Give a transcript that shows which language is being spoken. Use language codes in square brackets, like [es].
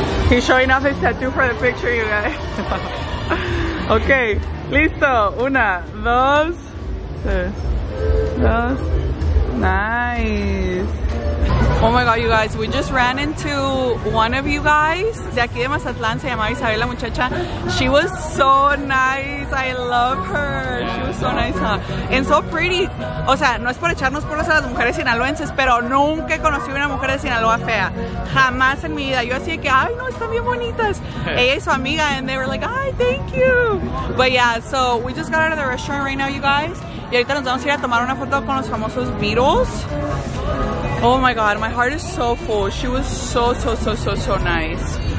[en] He's showing off his tattoo for the picture, you guys. [es] Okay, listo. Una, dos, tres, dos. [en] Nice. Oh my God, you guys, we just ran into one of you guys. [es] De aquí de Mazatlán, se llamaba Isabel la muchacha. [en] She was so nice. I love her. She was so nice, huh? And so pretty. [es] O sea, no es por echarnos porras a las mujeres sinaloenses, pero nunca he conocido una mujer de Sinaloa fea. Jamás en mi vida. Yo así de que, ay, no, están bien bonitas. Ella y su amiga, [en] and they were like, ay, thank you. But yeah, so we just got out of the restaurant right now, you guys. [es] Y ahorita nos vamos a ir a tomar una foto con los famosos Beatles. [en] Oh my God, my heart is so full. She was so, so, so, so, so nice.